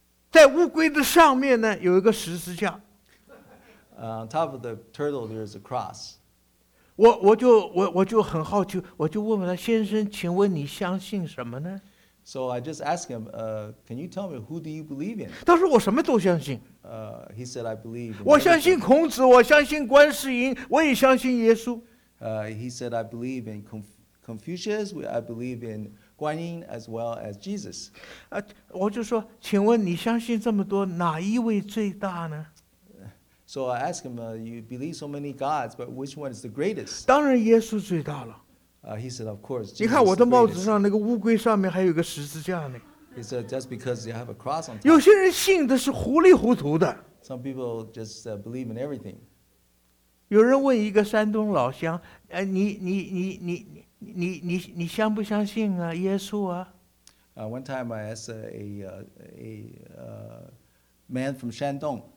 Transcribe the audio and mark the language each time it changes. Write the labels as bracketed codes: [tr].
[zh] 在乌龟的上面呢有一个十字架。 [en] On top of the turtle, there's a cross. [zh] 我就很好奇，我就问他，先生，请问你相信什么呢？ [en] So I just asked him, can you tell me who do you believe in? [zh] 他说我什么都相信。 [en] He said, I believe. [zh] 我相信孔子，我相信观世音，我也相信耶稣。 [en] He said, I believe in Confucius, I believe in Guan Yin as well as Jesus. [zh] 我就说，请问你相信这么多，哪一位最大呢？ [en] So I asked him, you believe so many gods, but which one is the greatest? [zh] 当然耶稣最大了。 [en] He said, of course, [zh] 你看我的帽子上那个乌龟上面还有个十字架呢。 [en] He said, just because you have a cross on top. [zh] 有些人信的是糊里糊涂的。 [en] Some people just believe in everything. [zh] 有人问一个山东老乡，你相不相信啊耶稣啊？ [en] One time I asked a man from Shandong.